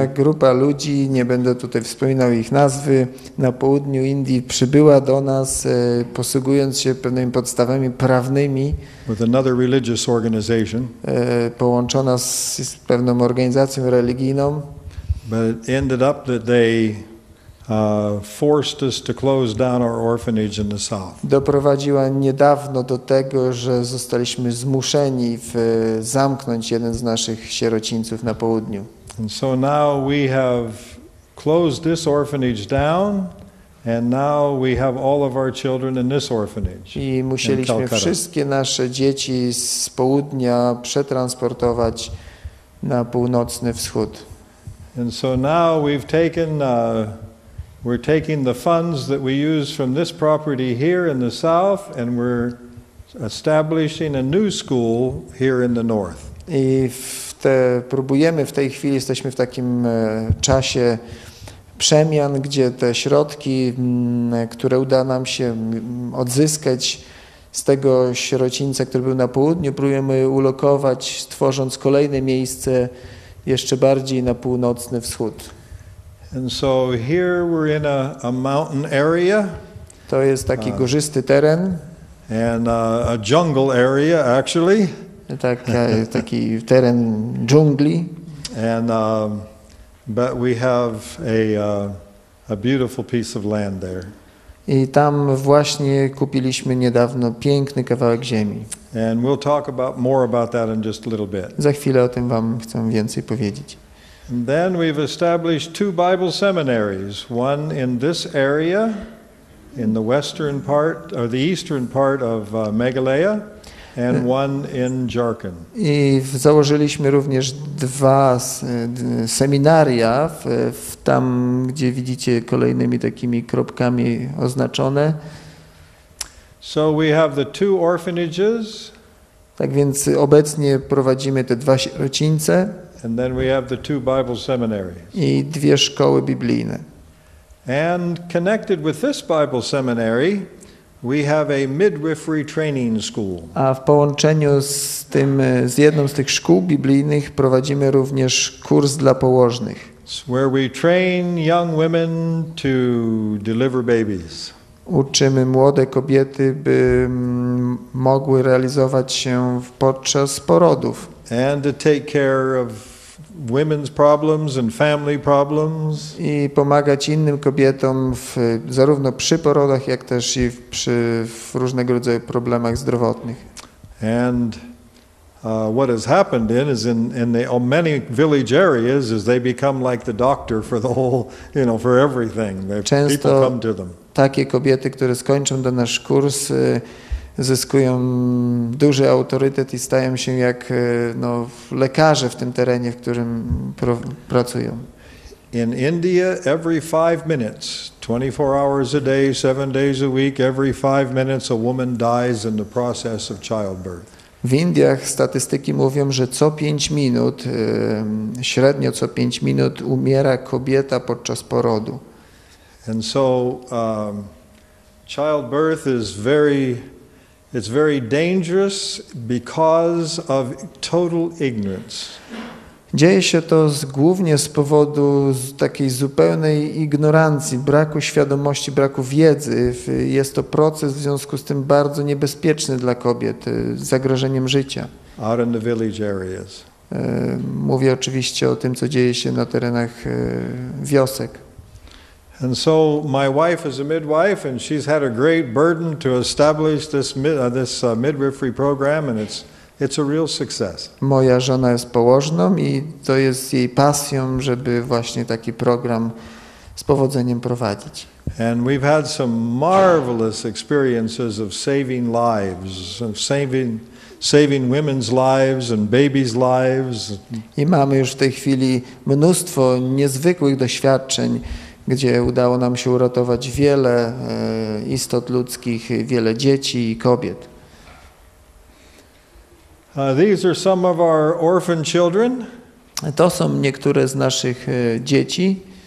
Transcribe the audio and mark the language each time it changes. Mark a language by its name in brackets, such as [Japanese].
[Polish] Pewna grupa ludzi, nie będę tutaj wspominał ich nazwy, na południu Indii przybyła do nas, posługując się pewnymi podstawami prawnymi. [English] With another religious organization. [Polish] Połączona z pewną organizacją religijną. [English] But it ended up that they forced us to close down our orphanage in the south. [Polish] Doprowadziła niedawno do tego, że zostaliśmy zmuszeni zamknąć jeden z naszych sierocińców na południu. [English] And so now we have closed this orphanage down, and now we have all of our children in this orphanage. [Polish] I musieliśmy wszystkie nasze dzieci z południa przetransportować na północny wschód. [English] And so now we've taken we're taking the funds that we use from this property here in the south, and we're establishing a new school here in the north. [Polish] I próbujemy w tej chwili, jesteśmy w takim czasie przemian, gdzie te środki, które uda nam się odzyskać z tego sierocińca, który był na południu, próbujemy ulokować, tworząc kolejne miejsce jeszcze bardziej na północny wschód. [English] And so here we're in a mountain area. [Polish] To jest taki górzysty teren. [English] And a jungle area, actually. [Polish] Taki teren dżungli. [English] And but we have a beautiful piece of land there. [Polish] I tam właśnie kupiliśmy niedawno piękny kawałek ziemi. [English] And we'll talk about more about that in just a little bit. [Polish] Za chwilę o tym wam chcę więcej powiedzieć. [English] And then we've established two Bible seminaries, one in this area, in the western part, or the eastern part of Meghalaya, and one in Jharkhand. [Polish] I założyliśmy również dwa seminaria, tam gdzie widzicie kolejnymi takimi kropkami oznaczone. [English] So we have the two orphanages. [Polish] Tak więc obecnie prowadzimy te dwa sierocińce. [English] And then we have the two Bible seminaries. [Polish] I dwie szkoły biblijne. [English] And connected with this Bible seminary, we have a midwifery training school. [Polish] A w połączeniu z jedną z tych szkół biblijnych prowadzimy również kurs dla położnych. [English] Where we train young women to deliver babies. [Polish] Uczymy młode kobiety, by mogły realizować się podczas porodów. [English] And to take care of women's problems and family problems. [Polish] I pomagać innym kobietom zarówno przy porodach, jak też i w różnego rodzaju problemach zdrowotnych. [English] And what has happened in many village areas is they become like the doctor for the whole, you know, for everything. [Polish] Często [English] people come to them. [Polish] Takie kobiety, które skończą ten nasz kurs, zyskują duży autorytet i stają się jak no, lekarze w tym terenie, w którym pracują. [English] In India, every 5 minutes, 24 hours a day, 7 days a week, every 5 minutes a woman dies in the process of childbirth. [Polish] W Indiach statystyki mówią, że co 5 minut, średnio co 5 minut umiera kobieta podczas porodu. [English] And so childbirth is very, it's very dangerous because of total ignorance. [Polish] Dzieje się to głównie z powodu takiej zupełnej ignorancji, braku świadomości, braku wiedzy. Jest to proces w związku z tym bardzo niebezpieczny dla kobiet, zagrożeniem życia. [English] Out in the village areas. [Polish] Mówię oczywiście o tym, co dzieje się na terenach wiosek. [English] And so my wife is a midwife and she's had a great burden to establish this midwifery program and it's a real success. [Polish] Moja żona jest położną i to jest jej pasją, żeby właśnie taki program z powodzeniem prowadzić. [English] And we've had some marvelous experiences of saving lives, of saving women's lives and babies' lives. [Polish] I mamy już w tej chwili mnóstwo niezwykłych doświadczeń, gdzie udało nam się uratować wiele istot ludzkich, wiele dzieci i kobiet. [English] These are some of our orphan children. [Polish] To są niektóre z naszych dzieci.